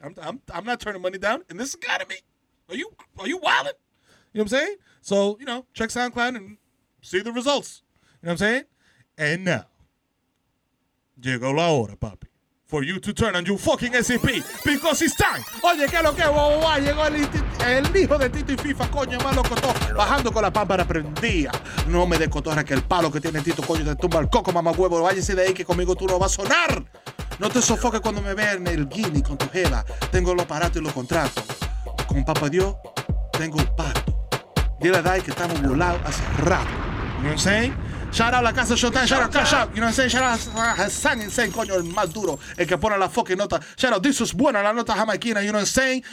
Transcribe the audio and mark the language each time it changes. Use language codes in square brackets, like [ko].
[en] I'm not turning money down. And this has got to be. Are you wilding? You know what I'm saying? So, you know, check SoundCloud and see the results. You know what I'm saying? And now, [es] llegó la hora, papi, [en] for you to turn on your fucking SCP, because it's time. [es] Oye, que lo que, guau, llegó el hijo de Tito y FIFA, coño, malo cotó, bajando con la pámpara prendía. No me des cotorra que el palo que tiene Tito, coño, te tumba el coco, mamá huevo. Váyase de ahí que conmigo tú no vas a sonar. No te sofoques cuando me veas en el guini con tu jeva. Tengo los aparatos y los contratos. Con papá Dios, tengo el pato. Dile a Dai que estamos volados hace rato. [en] You know what I'm saying? Shout out La Casa Showtime, shout out Cash Out, you know what I'm saying? Shout out [es] Hassan Insane, coño, el más duro, el que pone la fucking nota. [en] Shout out Disus Buena, [es] la nota jamaiquina, [en] you know what I'm saying?